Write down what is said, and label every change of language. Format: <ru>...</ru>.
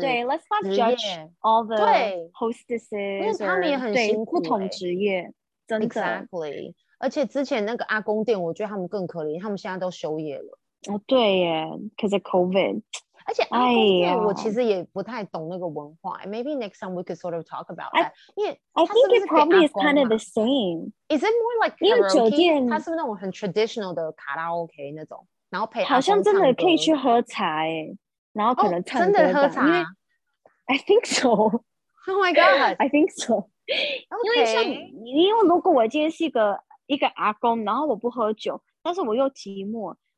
<en>对 ，let's not judge all the hostesses，</en> <zh>因为他们也很辛苦，不同职业，真的</zh> <en>exactly。</en> <zh>而且之前那个阿公店，我觉得他们更可怜，他们现在都休业了。哦，对耶 ，</zh> <en>because of COVID，</en> <zh>而且阿公店我其实也不太懂那个文化。</zh> <en>Maybe next time we could sort of talk about that. I think it probably is kind of the same. Is it more like karaoke?</en> <zh>因为酒店它是不是那种很 traditional 的卡拉 OK 那种，然后陪好像真的可以去喝茶耶，然后可能唱歌真的喝茶。</zh> <en>I think so. Oh my god! I think so.</en> <zh>因为像如果我今天是一个阿公，然后我不喝酒，但是我又寂寞。</zh>